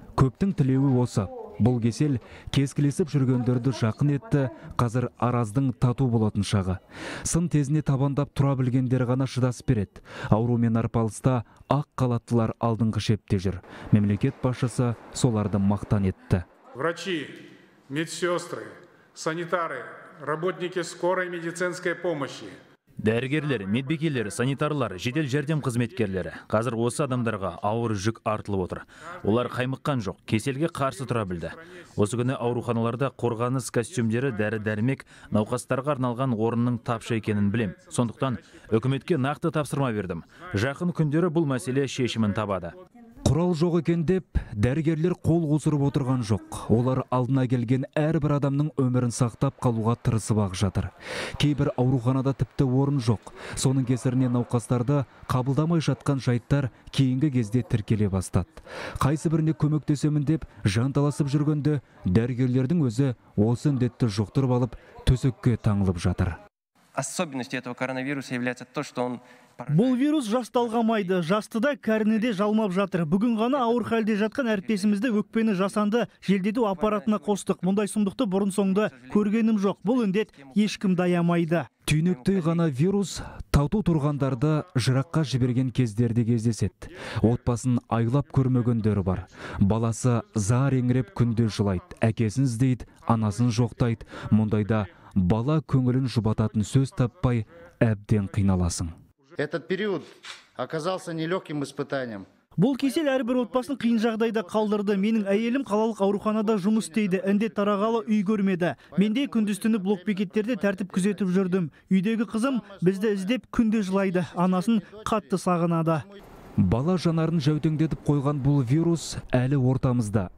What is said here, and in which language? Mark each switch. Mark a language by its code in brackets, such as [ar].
[kk] Көптің тілеуі осы. Бұл кесел кескілесіп жүргендерді жақын етті, қазір араздың тату болатын шағы. Сын тезіне табандап тұра білгендер ғана шыдасып береді. Аурумен арпалыста ақ қалаттылар алдыңғы шепте жүр. Мемлекет басшысы соларды мақтан етті. [ru] Врачи, медсестры, санитары, работники скорой медицинской помощи. [kk] Дәрігерлер, медбикелер, санитарлар, жедел жәрдем қызметкерлері. Қазір осы адамдарға ауыр жүк артылып отыр. Олар қаймыққан жоқ, кеселге қарсы тұра білді. Осы күні ауруханаларда қорғаныс костюмдері, дәрі-дәрмек, науқастарға арналған орынның тапшы екенін білем. Сондықтан үкіметке нақты тапсырма бердім. Жақын күндері бұл мәселе шешімін табады. Құрал жоқ екен деп, дәрігерлер қол қусырып отырған жоқ. Олар алдына келген әрбір адамның өмірін сақтап қалуға тырысып ақ жатыр. Кейбір ауруханада тіпті орын жоқ. Соның кесірінен науқастарды қабылдамай жатқан жайттар кейінгі кезде тіркеле бастады. Қайсы біріне көмектесемін деп, жанталасып жүргенде, дәрігерлердің өзі осы індетті жұқтырып алып, төсекке таңылып жатыр. [ru] Особенность этого коронавируса является то, что он... [kk] Бұл вирус жасталғамайды, жасты да кәріні де жалмап жатыр. Бүгін ғана ауыр халде жатқан әріптесімізді өкпені жасанды желдету аппаратына қостық. Мұндай сұмдықты бұрын соңды көргенім жоқ. Бұл індет ешкім даямайды. Түйнектей ғана вирус тату тұрғандарды жыраққа жіберген кездерде кездеседі. Отбасын айлап көрмегендері бар. Баласы зар еңіреп күнде жылайды, әкесін іздейді, анасын жоқтайды. Мұндайда бала көңілін жұбататын сөз таппай әбден қиналасың. [ru] Этот период оказался нелегким испытанием. [kk] Бұл кесел әрбір отбасын қиын жағдайда қалдырды. Менің әйелім қалалық ауруханада жұмыс істейді. Індет тарағалы үй көрмеді. Менде күндіз-түні блокбекеттерде тәртіп күзетіп жүрдім. Үйдегі қызым бізді іздеп күнде жылайды. Анасын қатты сағынады. Бала жанарын жәутеңдетіп қойған бұл вирус әлі ортамызда.